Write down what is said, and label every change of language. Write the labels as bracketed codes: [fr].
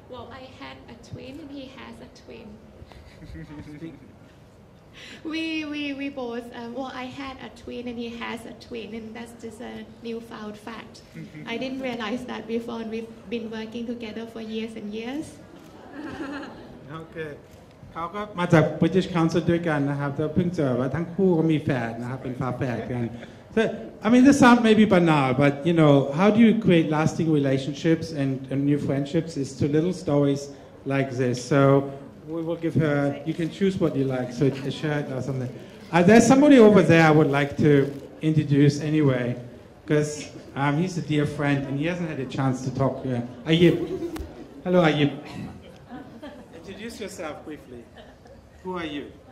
[en] Well, I had a twin, and he has a twin. we both. Well, I had a twin, and he has a twin, and that's just a newfound fact. I didn't realize that before, and we've been working together for years and years. Okay. [th] เขาก็มาจาก British Council ด้วยกันนะครับแต่เพิ่งเจอว่าทั้งคู่ก็มีแฝดนะครับเป็นฝาแฝดกัน [en] I mean, this sounds maybe banal, but you know, how do you create lasting relationships and new friendships is to little stories like this. So we will give her, you can choose what you like, so a shirt or something. There's somebody over there I would like to introduce anyway, because he's a dear friend and he hasn't had a chance to talk yet. Ayip. Hello, Ayip. Introduce yourself briefly. Who are you?